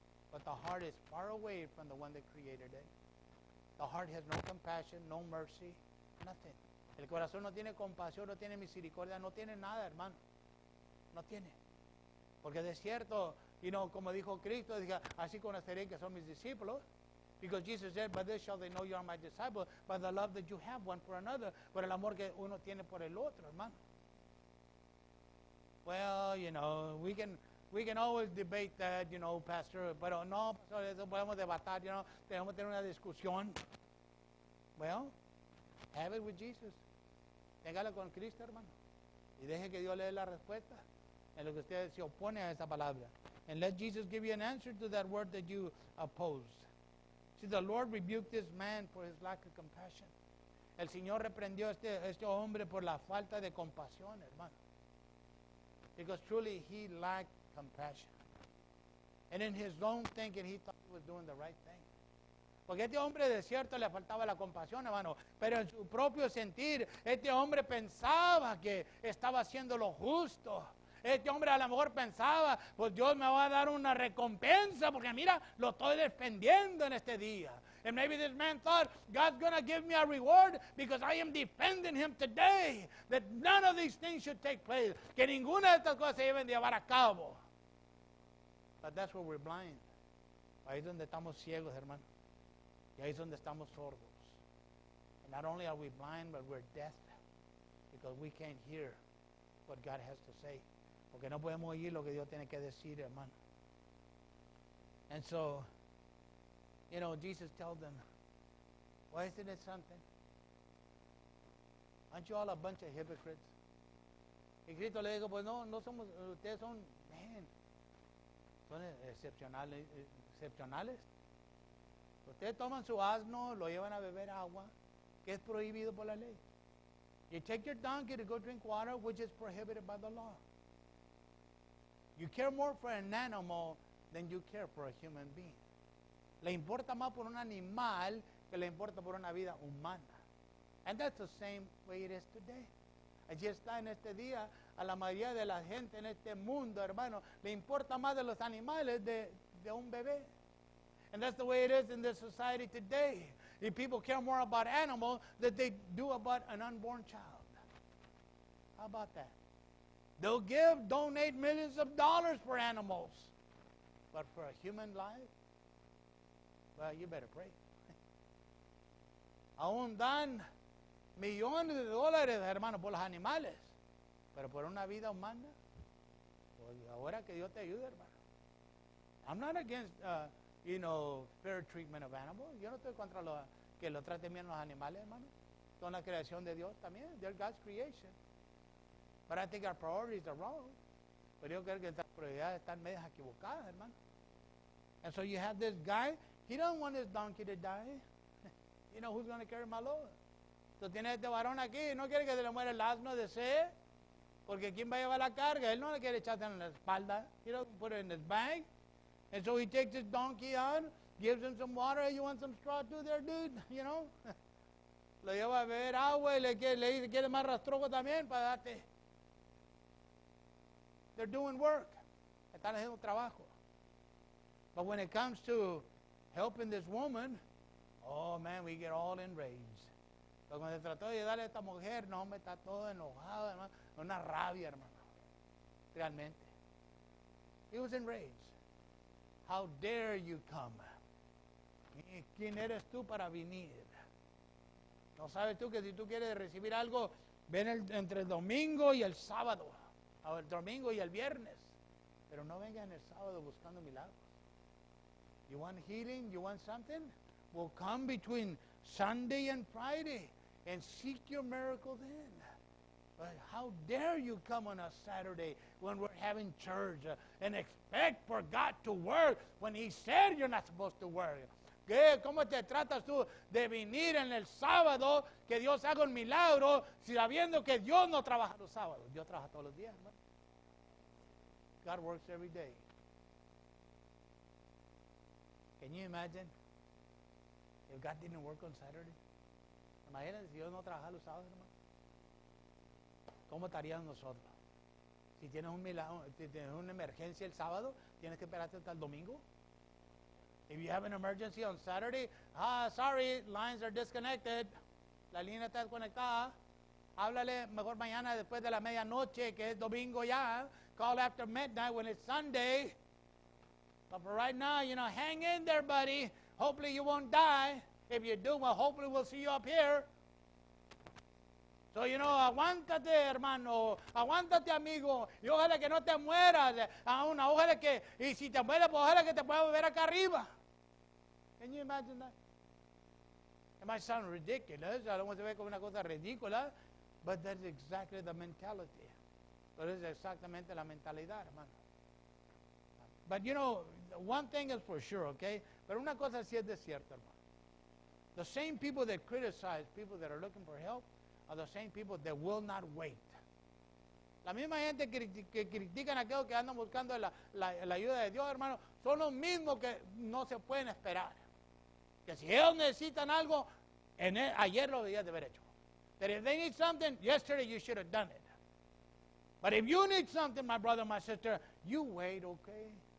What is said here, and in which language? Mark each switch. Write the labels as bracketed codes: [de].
[en] But the heart is far away from the one that created it. The heart has no compassion, no mercy, nothing. [es] El corazón no tiene compasión, no tiene misericordia, no tiene nada, hermano. No tiene. Porque de cierto, you know, como dijo Cristo, dije, así conoceré que son mis discípulos. [en] Because Jesus said, by this shall they know you are my disciples, by the love that you have one for another, [es] por el amor que uno tiene por el otro, hermano. [en] Well, you know, we can always debate that, you know, pastor, but no, pastor, [es] eso podemos debatar, [en] you know, [es] tenemos que tener una discusión. [en] Well, have it with Jesus. [es] Téngala con Cristo, hermano. Y deje que Dios le dé la respuesta en lo que usted se opone a esa palabra. [en] And let Jesus give you an answer to that word that you oppose. See, the Lord rebuked this man for his lack of compassion. [es] El Señor reprendió a este hombre por la falta de compasión, hermano. [en] Because truly he lacked compassion. And in his own thinking, he thought he was doing the right thing. [es] Porque este hombre de cierto le faltaba la compasión, hermano. Pero en su propio sentir, este hombre pensaba que estaba haciendo lo justo. Este hombre a lo mejor pensaba, pues Dios me va a dar una recompensa porque mira, lo estoy defendiendo en este día. [en] And maybe this man thought, God's going to give me a reward because I am defending him today. That none of these things should take place. [es] Que ninguna de estas cosas se deben llevar a cabo. [en] But that's where we're blind. [es] Ahí es donde estamos ciegos, hermano. Y ahí es donde estamos sordos. [en] And not only are we blind, but we're deaf. Because we can't hear what God has to say. [es] Porque no podemos oír lo que Dios tiene que decir, hermano. [en] And so, you know, Jesus told them, why isn't it something? Aren't you all a bunch of hypocrites? [es] Y Cristo le dijo, pues no, no somos, ustedes son, man, son excepcionales. Ustedes toman su asno, lo llevan a beber agua, que es prohibido por la ley. [en] You take your donkey to go drink water, which is prohibited by the law. You care more for an animal than you care for a human being. [es] Le importa más por un animal que le importa por una vida humana. [en] And that's the same way it is today. [es] Allí está en este día, a la mayoría de la gente en este mundo, hermano, le importa más de los animales de un bebé. [en] And that's the way it is in this society today. If people care more about animals than they do about an unborn child. How about that? They'll give, donate millions of dollars for animals. But for a human life, well, you better pray. [es] Aún dan millones de dólares, hermano, por los animales. Pero por una vida humana, ahora que Dios te ayude, hermano. [en] I'm not against, you know, fair treatment of animals. [es] Yo no estoy contra que lo traten bien los animales, hermano. Son la creación de Dios también. [en] They're God's creation. But I think our priorities are wrong. [es] Pero yo creo que estas prioridades están medio equivocadas, hermano. [en] And so you have this guy, he don't want his donkey to die. You know who's going to carry my load. [es] So tiene este varón aquí, no quiere que se le muera el asno de sed, porque quién va a llevar la carga, él no le quiere echarse en la espalda. [en] He don't put it in his bag. And so he takes his donkey out, gives him some water, you want some straw too there, dude, you know. [es] Lo lleva a beber agua y le dice, ¿quiere más rastrojo también para darte? [en] They're doing work. [es] Están haciendo trabajo. [en] But when it comes to helping this woman, oh man, we get all enraged. [es] Pero cuando se trató de ayudarle a esta mujer, no, me está todo enojado, hermano. Una rabia, hermano. Realmente. [en] He was enraged. How dare you come? [es] ¿Quién eres tú para venir? ¿No sabes tú que si tú quieres recibir algo, ven entre el domingo y el sábado? El domingo y el viernes, pero no vengan el sábado buscando milagros. [en] You want healing? You want something? Well, come between Sunday and Friday and seek your miracle then. But how dare you come on a Saturday when we're having church and expect for God to work when He said you're not supposed to work? [es] ¿Qué? ¿Cómo te tratas tú de venir en el sábado que Dios haga un milagro sabiendo que Dios no trabaja los sábados? Dios trabaja todos los días, ¿no? [en] God works every day. Can you imagine if God didn't work on Saturday? [es] Imagínense si Dios no trabajara los sábados, hermano. ¿Cómo estarían nosotros? Si tienes un milagro, si tienes una emergencia el sábado, tienes que esperarte hasta el domingo. [en] If you have an emergency on Saturday, sorry, lines are disconnected. [es] La línea está desconectada. Háblale mejor mañana después de la medianoche, que es domingo ya. [en] Call after midnight when it's Sunday. But for right now, you know, hang in there, buddy. Hopefully you won't die. If you do, well, hopefully we'll see you up here. [es] So, you know, aguántate, hermano. Aguántate, amigo. Y ojalá que no te mueras. Ojalá que, y si te mueres, pues ojalá que te puedas volver acá arriba. [en] Can you imagine that? It might sound ridiculous. I don't want to be [es] como una cosa ridícula. [en] But that's exactly the mentality. [es] Pero es exactamente la mentalidad, hermano. [en] But, you know, one thing is for sure, okay? [es] Pero una cosa sí es de cierto, hermano. [en] The same people that criticize people that are looking for help are the same people that will not wait. [es] La misma gente que critican a aquellos que andan buscando la ayuda de Dios, hermano, son los mismos que no se pueden esperar. Que si ellos necesitan algo, ayer lo debías de haber hecho. [en] That if they need something, yesterday you should have done it. But if you need something, my brother, my sister, you wait, okay?